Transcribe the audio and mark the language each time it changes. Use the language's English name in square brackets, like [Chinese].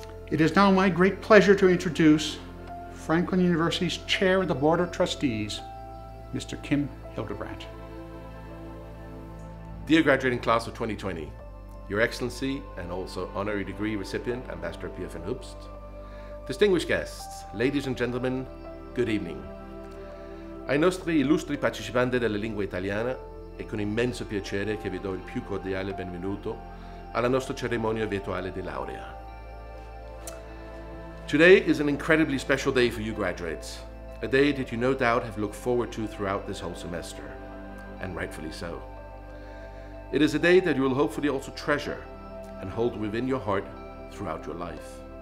[English] It is now my great pleasure to introduce Franklin University's Chair of the Board of Trustees, Mr. Kim Hildebrandt. Dear graduating class of 2020, Your Excellency and also honorary degree recipient, Ambassador Pierre van Hoopst, distinguished guests, ladies and gentlemen, good evening. [Italian] Ai nostri illustri partecipanti della lingua italiana, è con immenso piacere che vi do il più cordiale benvenuto alla nostra cerimonia virtuale di laurea. [English] Today is an incredibly special day for you graduates, a day that you no doubt have looked forward to throughout this whole semester, and rightfully so. It is a day that you will hopefully also treasure and hold within your heart throughout your life.